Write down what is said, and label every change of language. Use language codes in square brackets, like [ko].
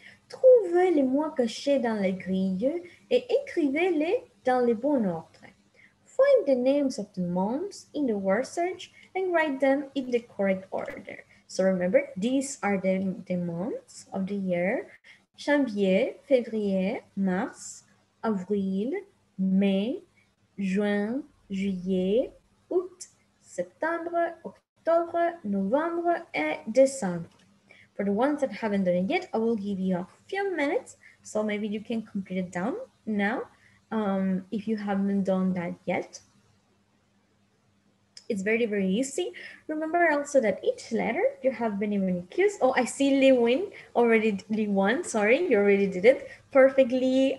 [fr] Trouvez les mots cachés dans la grille et écrivez-les dans le bon ordre. [en] Find the names of the months in the word search and write them in the correct order. So remember, these are the months of the year. [fr] Janvier, février, mars, avril, mai, juin, juillet, août, septembre, octobre, novembre, et décembre. [en] For the ones that haven't done it yet, I will give you a few minutes, so maybe you can complete it down now. If you haven't done that yet, it's very, very easy. Remember also that each letter you have many cues. Oh, I see Li Wen, you already did it perfectly.